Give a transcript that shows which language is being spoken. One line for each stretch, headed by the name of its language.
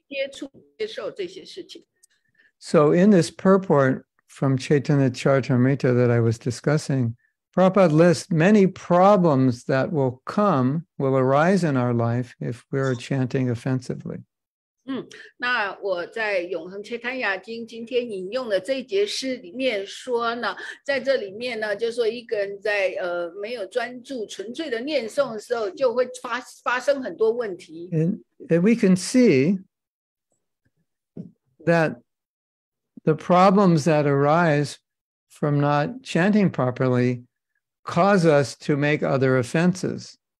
Chinese: 即使我们的心有时候会浮出来，就说我想要去做那个，我想要拿那个什么，但是现在我已经发誓了，所以呢，我也承诺需要Prabhupada，所以我现在要让自己停止不去接触、接受这些事情。
English: So in this purport from Chaitanya Charitamrita that I was discussing, Prabhupada lists many problems that will come, will arise in our life if we're chanting offensively.
Chinese: 那我在永恒切坦雅经今天引用的这一节诗里面说呢，在这里面呢，就说一个人在没有专注纯粹的念诵的时候，就会发生很多问题。
English: And we can see that the problems that arise from not chanting properly cause us to make other offenses.